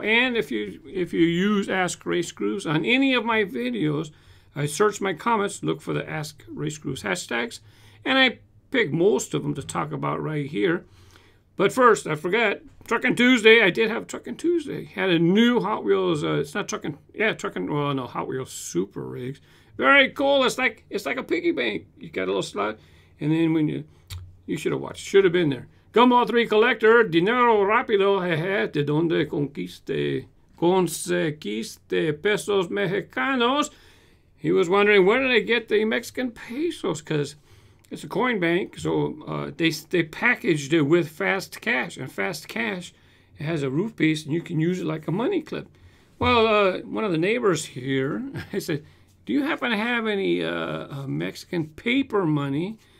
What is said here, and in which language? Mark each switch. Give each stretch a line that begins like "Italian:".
English: And if you use Ask Race Grooves on any of my videos, I search my comments, look for the Ask Race Grooves hashtags, and I pick most of them to talk about right here. But first, I forgot, Truckin' Tuesday. I did have Truckin' Tuesday. Had a new Hot Wheels, Hot Wheels Super Rigs. Very cool. It's like a piggy bank. You got a little slot, and then when you should have watched. Should have been there.
Spanish: Gumball 3 Collector, Dinero Rápido, jeje, de donde conseguiste pesos mexicanos.
English: He was wondering, where did I get the Mexican pesos? Because it's a coin bank, so they packaged it with fast cash. And fast cash, it has a roof piece, and you can use it like a money clip. Well, one of the neighbors here, I said, do you happen to have any Mexican paper money?